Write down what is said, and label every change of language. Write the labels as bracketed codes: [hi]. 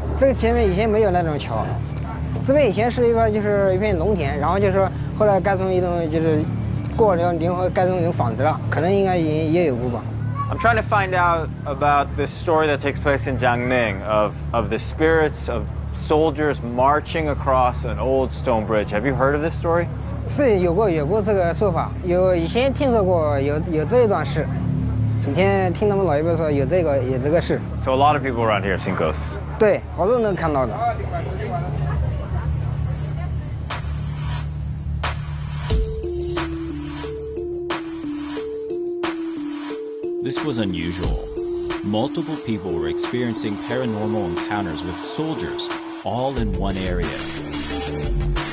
[zh] 这个前面以前没有那种桥。这边以前是一块就是一片农田，然后就是后来盖成一栋就是过了临河盖成一栋房子了，可能应该也有过吧。 [en] I'm trying to find out about this story that takes place in Jiangning of the spirits of soldiers marching across an old stone bridge. Have you heard of this story? [zh] 是有过这个说法，有以前听说过有这一段事，以前听他们老一辈说有这个事。 [en] So a lot of people around here have seen ghosts. [zh] 对，好多人能看到的。 [en] This was unusual. Multiple people were experiencing paranormal encounters with soldiers, all in one area.